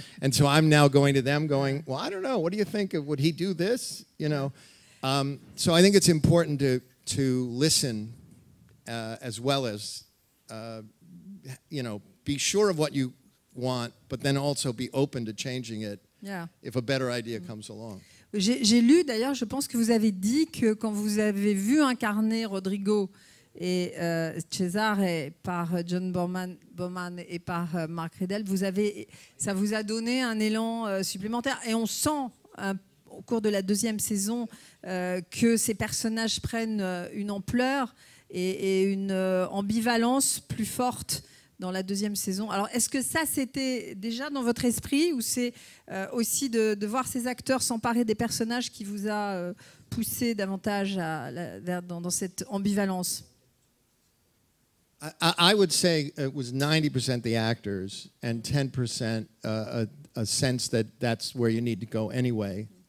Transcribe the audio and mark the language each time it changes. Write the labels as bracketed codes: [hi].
[en] And so I'm now going to them going, well, I don't know, what do you think? Would he do this? You know. So I think it's important to listen as well as you know, be sure of what you want, but then also be open to changing it if a better idea comes along. [fr] J'ai lu, d'ailleurs, je pense que vous avez dit que quand vous avez vu incarner Rodrigo et Cesare par John Bowman et par Mark Riddle, vous avez, ça vous a donné un élan supplémentaire. Et on sent, au cours de la deuxième saison, que ces personnages prennent une ampleur et une ambivalence plus forte dans la deuxième saison. Alors, est-ce que ça, c'était déjà dans votre esprit, ou c'est aussi de voir ces acteurs s'emparer des personnages qui vous a poussé davantage dans cette ambivalence? [en] I would say it was 90% the actors and 10% a sense that that's where you need to go anyway.